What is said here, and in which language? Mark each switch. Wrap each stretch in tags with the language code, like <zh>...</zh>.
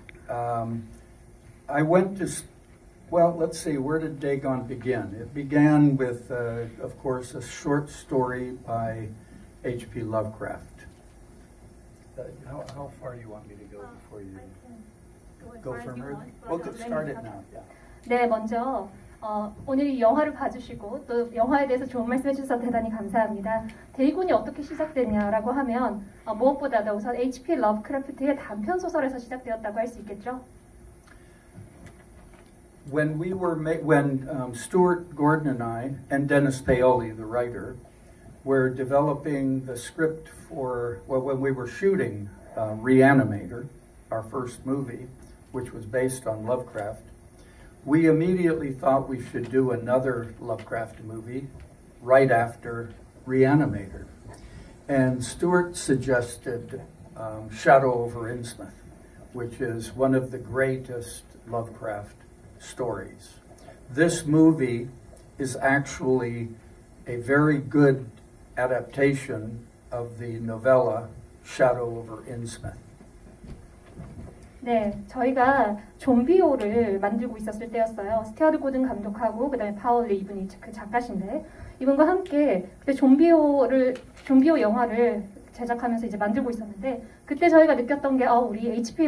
<en>I went to Well, let's see, where did Dagon begin? It began with, of course, a short story by H.P. Lovecraft. How far do you want me to go before you go firmer? Well, let's start it now.</en> <ko>Yeah. 네, 먼저 오늘 이 영화를 봐주시고 또 영화에 대해서 좋은 말씀해 주셔서 대단히 감사합니다. 대군이 어떻게 시작되냐라고 하면 무엇보다도 우선 H.P. Lovecraft의 단편 소설에서 시작되었다고 할 수 있겠죠?</ko> <en>When we were when Stuart Gordon and I and Dennis Paoli, the writer, were developing the script for when we were shooting Reanimator, our first movie, which was based on Lovecraft, we immediately thought we should do another Lovecraft movie right after Reanimator, and Stuart suggested Shadow over Innsmouth, which is one of the greatest Lovecraft stories. This movie is actually a very good adaptation of the novella Shadow over Innsmouth.</en> <ko>네, 저희가 좀비오를 만들고 있었을 때였어요. 스튜어트 고든 감독하고 그다음에 파울리 이분이 그 작가신데 이분과 함께 그때 좀비오 영화를 제작하면서 이제 만들고 있었는데 그때 저희가 느꼈던 게 우리 H.P.</ko>